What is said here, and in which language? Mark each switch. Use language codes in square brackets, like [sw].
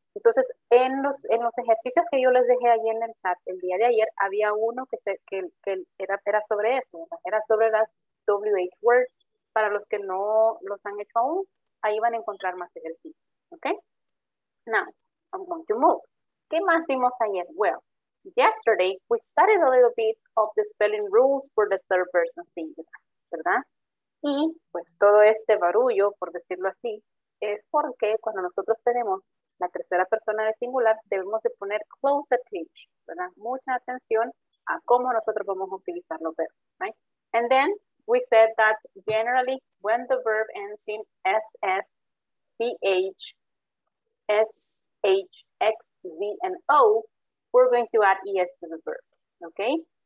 [es] Entonces, en los ejercicios que yo les dejé ahí en el chat el día de ayer, había uno que era sobre eso, ¿verdad? Era sobre las WH words. Para los que no los han hecho aún, ahí van a encontrar más ejercicios, ¿ok? [en] Now, I'm going to move. [es] ¿Qué más vimos ayer? [en] Well, yesterday we studied a little bit of the spelling rules for the third person singular, ¿verdad? [es] Y pues todo este barullo, por decirlo así, es porque cuando nosotros tenemos la tercera persona de singular, debemos de poner [en] close attention, [es] ¿verdad? Mucha atención a cómo nosotros vamos a utilizar los verbos, ¿right? [en] And then we said that generally when the verb ends in SS, CH, SH, X, Z, and O, we're going to add ES to the verb, okay?